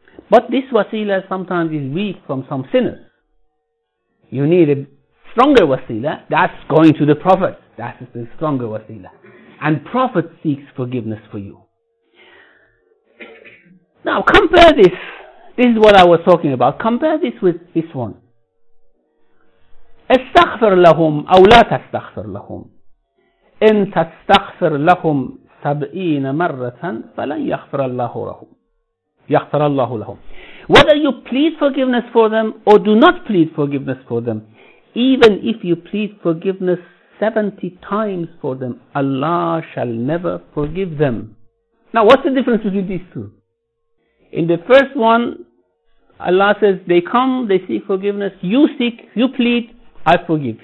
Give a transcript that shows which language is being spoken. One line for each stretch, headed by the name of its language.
English: But this wasila sometimes is weak from some sinners. You need a stronger wasila, that's going to the Prophet. That's the stronger wasila. And Prophet seeks forgiveness for you. Now compare this. This is what I was talking about. Compare this with this one.
Arabic: استغفر لهم أو لا تستغفر لهم. إن تستغفر لهم سبعين مرة فلن يغفر الله لهم. يغفر الله لهم.
English: whether you plead forgiveness for them or do not plead forgiveness for them, even if you plead forgiveness 70 times for them, Allah shall never forgive them. Now, what's the difference between these two? In the first one, Allah says, they come, they seek forgiveness, you seek, you plead, I forgive.